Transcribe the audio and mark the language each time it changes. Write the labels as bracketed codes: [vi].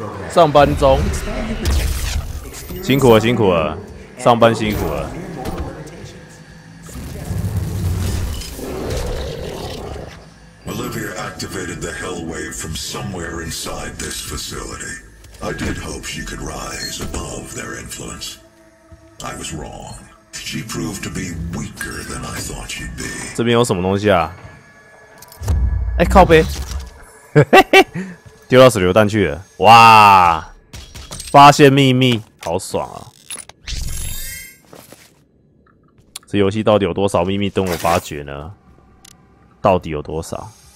[zh] 上班中，辛苦了，辛苦了，上班辛苦了。 [en] Olivia activated the hell wave from somewhere inside this facility. I did hope she could rise above their influence. I was wrong. She proved to be weaker than I thought she'd be. [zh] 这边有什么东西啊？哎、欸，靠背，丢到手榴弹去了。哇，发现秘密，好爽啊！这游戏到底有多少秘密等我发掘呢？到底有多少？